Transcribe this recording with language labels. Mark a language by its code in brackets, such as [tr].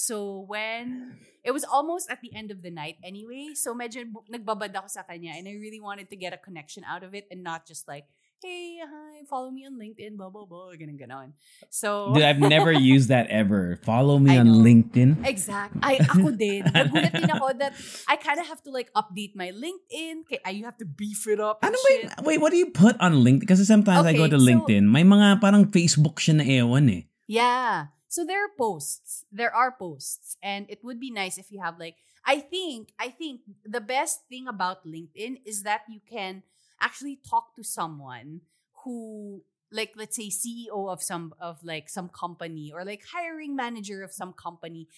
[en] So when, it was almost at the end of the night anyway, so [tl] medyo nagbabad ako sa kanya, [en] and I really wanted to get a connection out of it, and not just like, hey, hi, follow me on LinkedIn, blah, blah, blah, gonna get on. So, dude, I've never used that ever. Follow me on LinkedIn. Exactly. [tl] Ako din. Nagulat din ako [en] that I kind of have to like update my LinkedIn. You have to beef it up. [tl] Ano ba, [en] wait, what do you put on LinkedIn? Because sometimes okay, I go to LinkedIn. [tl] So, may mga parang Facebook siya na ewan eh. [en] Yeah. So there are posts. There are posts. And it would be nice if you have like, I think the best thing about LinkedIn is that you can actually talk to someone who, like, let's say CEO of some company, or like hiring manager of some company.